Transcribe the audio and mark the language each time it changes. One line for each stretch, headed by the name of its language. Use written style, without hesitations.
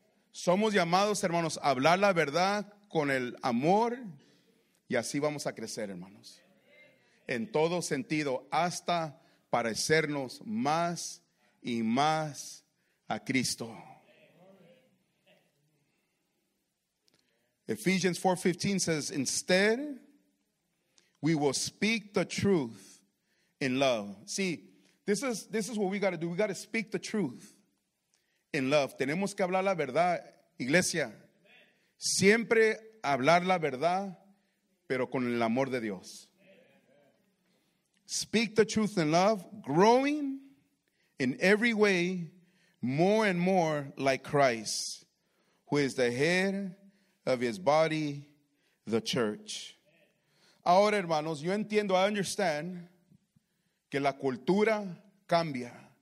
Spanish: Somos llamados, hermanos, a hablar la verdad con el amor, y así vamos a crecer, hermanos, en todo sentido, hasta parecernos más y más a Cristo.
English: Ephesians 4:15 says, instead, we will speak the truth in love. See, this is what we got to do. We got to speak the truth in love.
Spanish: Tenemos que hablar la verdad, iglesia. Siempre hablar la verdad, pero con el amor de Dios.
English: Speak the truth in love, growing in every way more and more like Christ, who is the head of his body, the church.
Spanish: Ahora, hermanos, yo entiendo,
English: I understand,
Spanish: que la cultura cambia.